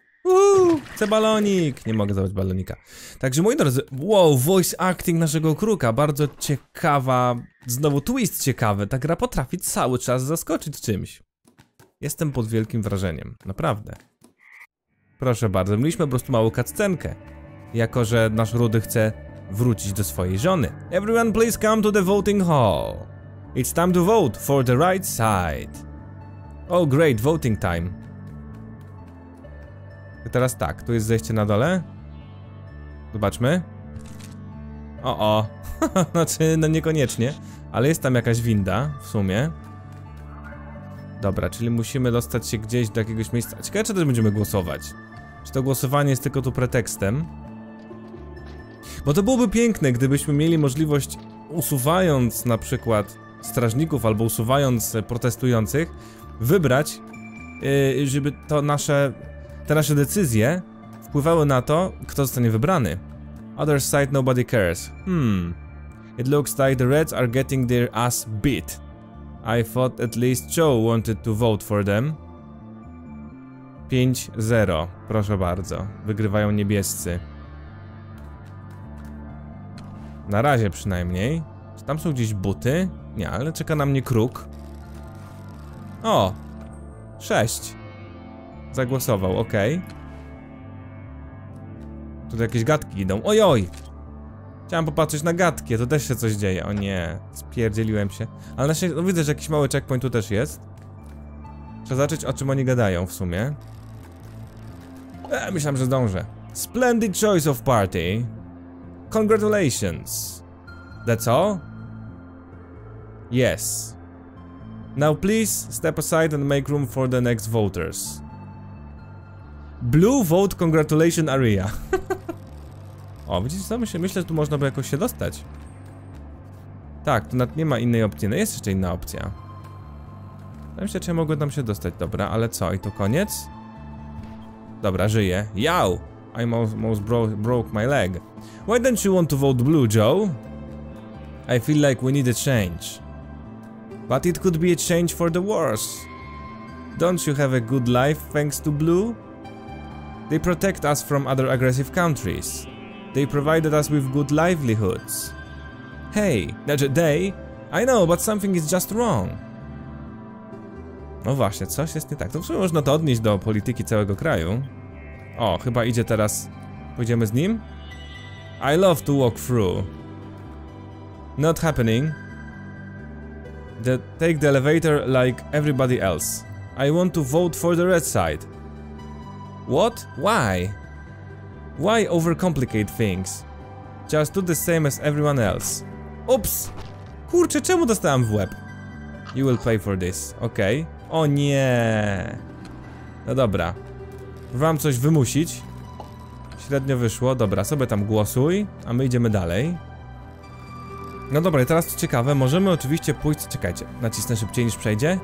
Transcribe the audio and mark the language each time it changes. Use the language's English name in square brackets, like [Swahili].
[Polish] Uhu, chcę balonik! Nie mogę zabrać balonika. Także moi drodzy, wow, voice acting naszego kruka, bardzo ciekawa, znowu twist ciekawy, ta gra potrafi cały czas zaskoczyć czymś. Jestem pod wielkim wrażeniem, naprawdę. Proszę bardzo, mieliśmy po prostu małą cutscenkę, jako że nasz Rudy chce wrócić do swojej żony. [English] Everyone please come to the voting hall. It's time to vote for the right side. Oh great, voting time. [Polish] I teraz tak, tu jest zejście na dole. Zobaczmy. O-o. Znaczy, no niekoniecznie. Ale jest tam jakaś winda, w sumie. Dobra, czyli musimy dostać się gdzieś do jakiegoś miejsca. Ciekawe, czy też będziemy głosować. Czy to głosowanie jest tylko tu pretekstem? Bo to byłoby piękne, gdybyśmy mieli możliwość, usuwając na przykład strażników, albo usuwając protestujących, wybrać, żeby to nasze, te nasze decyzje wpływały na to, kto zostanie wybrany. [English] Other side, nobody cares. It looks like the Reds are getting their ass beat. I thought at least Joe wanted to vote for them. [Polish] 5-0. Proszę bardzo. Wygrywają niebiescy. Na razie przynajmniej. Czy tam są gdzieś buty? Nie, ale czeka na mnie kruk. O! 6. Zagłosował, okej. Okay. Tu jakieś gadki idą. Ojoj! Chciałem popatrzeć na gadki, to też się coś dzieje. O nie, spierdzieliłem się. Ale na szczęście, no widzę, że jakiś mały checkpoint tu też jest. Trzeba zobaczyć, o czym oni gadają w sumie. Myślałem, że zdążę. [English] Splendid choice of party. Congratulations. That's all? Yes. Now please step aside and make room for the next voters. Blue vote congratulation area. [Polish] O, widzicie co? Myślę, że tu można by jakoś się dostać. Tak, tu nawet nie ma innej opcji. No jest jeszcze inna opcja. Myślę, czy ja mogę tam się dostać. Dobra, ale co? I to koniec? Dobra, żyję. Yow! [English] I almost broke my leg. Why don't you want to vote blue, Joe? I feel like we need a change. But it could be a change for the worse. Don't you have a good life thanks to blue? They protect us from other aggressive countries. They provided us with good livelihoods. Hey, that's a day. I know, but something is just wrong. [Polish] No właśnie, coś jest nie tak. To w sumie można to odnieść do polityki całego kraju. O, chyba idzie teraz. Pójdziemy z nim? [English] I love to walk through. Not happening. Take the elevator like everybody else. I want to vote for the red side. What? Why? Why overcomplicate things? Just do the same as everyone else. Ups! [Polish] Kurczę, czemu dostałem w łeb? [English] You will pay for this, [Polish] okej. Okay. O nie! No dobra. Próbowałem coś wymusić. Średnio wyszło, dobra, sobie tam głosuj. A my idziemy dalej. No dobra, i teraz to ciekawe, możemy oczywiście pójść... Czekajcie, nacisnę szybciej niż przejdzie?